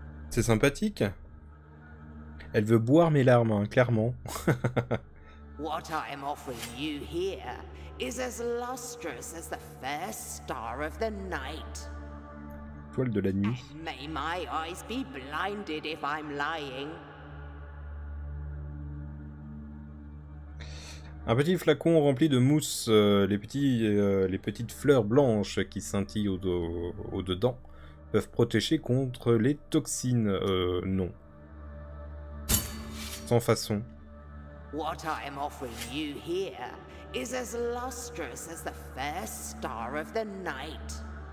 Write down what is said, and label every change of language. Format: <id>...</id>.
<fr>C'est sympathique. Elle veut boire mes larmes, hein, clairement.</fr> <en>What I am offering you here is as lustrous as the first star of the night.</en> <fr>Toile de la nuit.</fr> <en>And may my eyes be blinded if I'm lying.</en> <fr>Un petit flacon rempli de mousse, les petites fleurs blanches qui scintillent au dedans peuvent protéger contre les toxines. Non. Sans façon.</fr> <en>What I am offering you here is as lustrous as the first star of the night.</en>